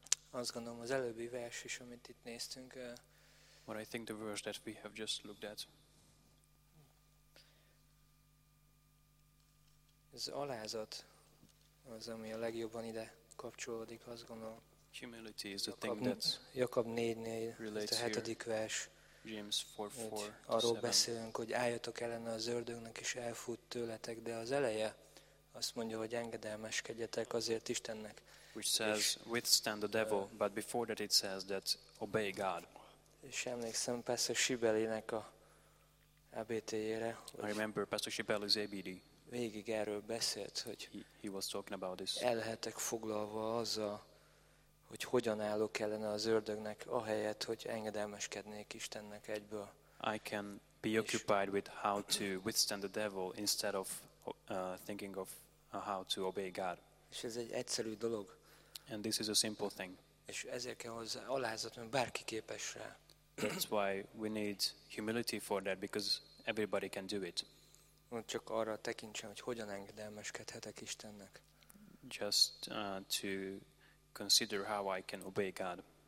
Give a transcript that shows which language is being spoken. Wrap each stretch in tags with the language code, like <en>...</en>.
<hu>Azt gondolom az előbbi vers is, amit itt néztünk.</hu> <en>What I think the verse that we have just looked at.</en> <hu>Ez alázat az, ami a legjobban ide kapcsolódik, azt gondolom.</hu> <en>Humility is the thing that</en> <hu>Jakab 4-nél, ez a hetedik vers.</hu> <en>James 4:4.</en> <hu>Arról beszélünk, hogy álljatok ellene az ördögnek, és elfut tőletek, de az eleje Azt mondja, hogy engedelmeskedjetek azért Istennek.</hu> <en>Which says, withstand the devil, but before that it says that obey God.</en> <hu>És emlékszem Pastor Sibelinek a ABT-jére.</hu> <en>I remember Pastor Sibeli's ABD.</en> <hu>Végig erről beszélt, hogy</hu> <en>he was talking about this.</en> <hu>El lehetek foglalva azzal, hogy hogyan állok ellene az ördögnek, ahelyett, hogy engedelmeskednék Istennek egyből.</hu> <en>I can be occupied with how to withstand the devil instead of thinking of how to obey God.</en> <hu>És ez egy egyszerű dolog.</hu> <en>And this is a simple thing.</en> <hu>És ezért kell hozzá alázat, mert bárki képes rá.</hu> <en>That's why we need humility for that, because everybody can do it.</en> <hu>Csak arra tekintsem, hogy hogyan engedelmeskedhetek Istennek.</hu> <en>Just to consider how I can obey God.</en>